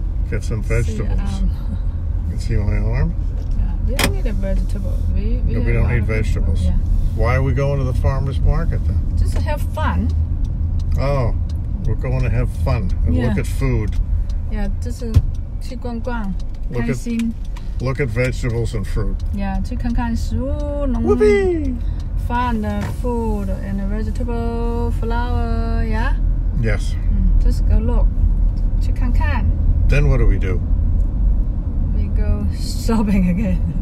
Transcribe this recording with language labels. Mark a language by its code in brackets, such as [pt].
[en] Get some vegetables. See, you can see my arm? Yeah, we don't need a vegetable. We don't need vegetables. Yeah. Why are we going to the farmer's market then? Just to have fun. Oh, we're going to have fun and look at food. [zh] Yeah, 就是去逛逛，开心。 [en] Look at vegetables and fruit. [zh] Yeah, 去看看食物，农贩的 food and vegetable, flower, yeah? [en] Yes. Just go look, 去看看。 Then what do? We go shopping again.